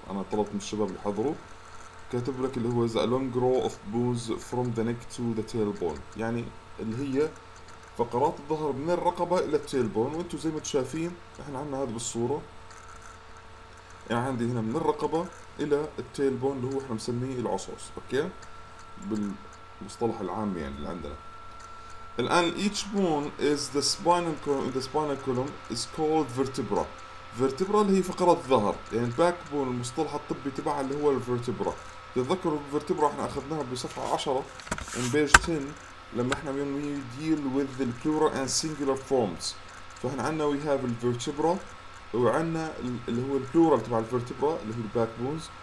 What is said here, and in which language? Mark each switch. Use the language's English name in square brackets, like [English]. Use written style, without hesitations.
[Arabic] انا طلبت من الشباب اللي حضروا كاتب لك اللي هو [English] the long row of bones from the neck to the tailbone، [Arabic] يعني اللي هي فقرات الظهر من الرقبة إلى التيلبون. وانتو زي ما تشافين احنا عنا هذا بالصورة، يعني عندي هنا من الرقبة إلى التيلبون اللي هو احنا مسميه العصعص، اوكي، بالمصطلح العام يعني اللي عندنا. [English] الآن each bone is the spinal column is called vertebra. [Arabic] فيرتبرا اللي هي فقرات الظهر، يعني الباك بون المصطلح الطبي تبعها اللي هو الفيرتبرا. تتذكروا الفيرتبرا احنا اخذناها بصفحه 10 من بيج 10، لما احنا [English] بنديل وذ البلورا and singular forms. [Arabic] فاحنا عندنا وي هاف الفيرتبرا، وعندنا اللي هو البلورا تبع الفيرتبرا اللي هو الباك بونز.